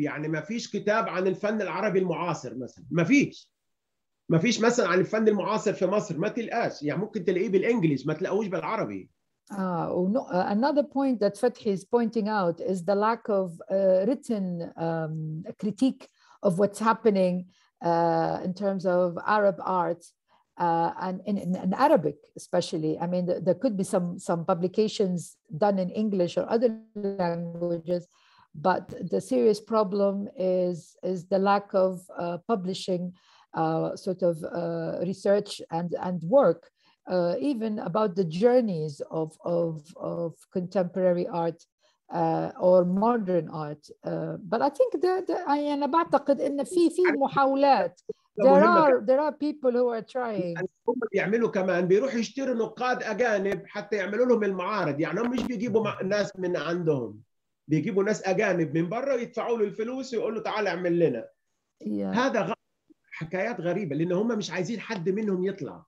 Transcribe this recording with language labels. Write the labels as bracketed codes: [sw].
[ar] يعني ما فيش كتاب عن الفن العربي المعاصر مثلا, ما فيش مثلا عن الفن المعاصر في مصر, ما تلقاش. يعني ممكن تلاقيه بالانجليزي, ما تلاقوش بالعربي. [en] Another point that Fathi is pointing out is the lack of written critique of what's happening in terms of Arab art and in Arabic especially. I mean, there could be some publications done in English or other languages, but the serious problem is the lack of publishing sort of research and work. Even about the journeys of contemporary art or modern art, but I think [ar] أنا بعتقد إن في محاولات. [en] There are people who are trying. [ar] هم بيعملوا كمان, بيروح يشتروا نقاد أجانب حتى يعملوا لهم المعارض. يعني هم مش بيجيبوا ناس من عندهم, بيجيبوا ناس أجانب من برا ويدفعوا له الفلوس ويقولوا تعال اعمل لنا. [en] Yeah. [ar] هذا حكايات غريبة, لأن هم مش عايزين حد منهم يطلع.